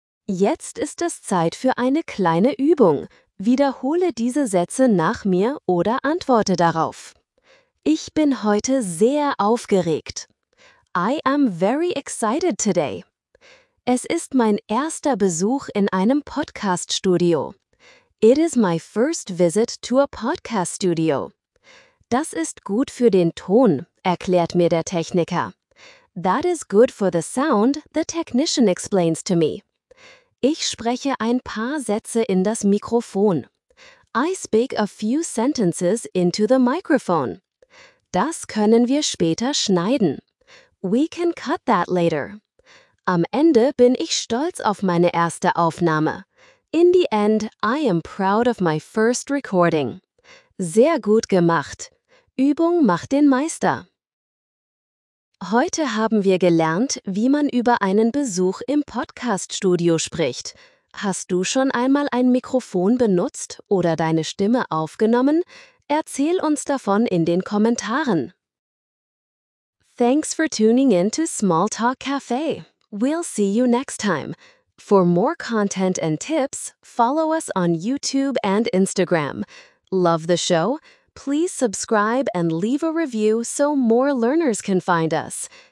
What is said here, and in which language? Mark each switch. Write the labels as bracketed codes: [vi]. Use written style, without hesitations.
[de] Jetzt ist es Zeit für eine kleine Übung. Wiederhole diese Sätze nach mir oder antworte darauf. Ich bin heute sehr aufgeregt. [en] I am very excited today. [de] Es ist mein erster Besuch in einem Podcast-Studio. [en] It is my first visit to a podcast studio. [de] Das ist gut für den Ton, erklärt mir der Techniker. [en] That is good for the sound, the technician explains to me. [de] Ich spreche ein paar Sätze in das Mikrofon. [en] I speak a few sentences into the microphone. [de] Das können wir später schneiden. [en] We can cut that later. [de] Am Ende bin ich stolz auf meine erste Aufnahme. [en] In the end, I am proud of my first recording. [de] Sehr gut gemacht. Übung macht den Meister. Heute haben wir gelernt, wie man über einen Besuch im Podcast-Studio spricht. Hast du schon einmal ein Mikrofon benutzt oder deine Stimme aufgenommen? Erzähl uns davon in den Kommentaren. [en] Thanks for tuning in to Small Talk Cafe. We'll see you next time. For more content and tips, follow us on YouTube and Instagram. Love the show? Please subscribe and leave a review so more learners can find us.